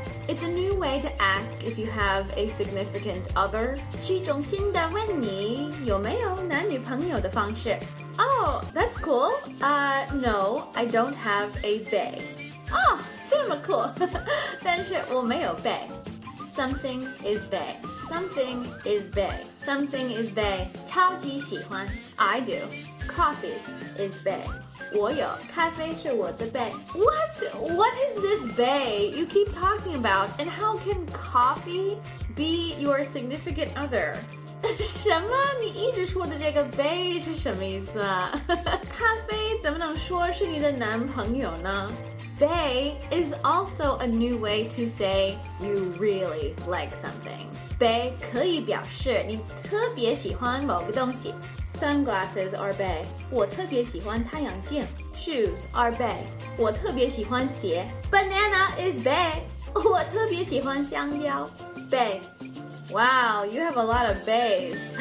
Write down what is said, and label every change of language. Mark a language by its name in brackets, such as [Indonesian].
[English] It's a new way to ask if you have a significant other. [Chinese] 是一种新的问你有没有男女朋友的方式。 [English] Oh, that's cool. No, I don't have a bae. [Chinese] Oh, 这么 cool. 但是我没有 bae. [English] Something is bae. [Chinese] 超级喜欢。 [English] I do. Coffee is bae. [Chinese] 我有咖啡是我的 bae. [English] What is this bae you keep talking about? And how can coffee be your significant other? [Chinese] 什么？你一直说的这个 bae 是什么意思啊？咖啡怎么能说是你的男朋友呢？ [English] Bae is also a new way to say you really like something. [Chinese] Bae 可以表示你特别喜欢某个东西。 [English] Sunglasses are bae. [Chinese] 我特别喜欢太阳镜。 [English] Shoes are bae. [Chinese] 我特别喜欢鞋。 [English] Banana is bae. [Chinese] 我特别喜欢香蕉。Bae. [English] Wow, you have a lot of baes.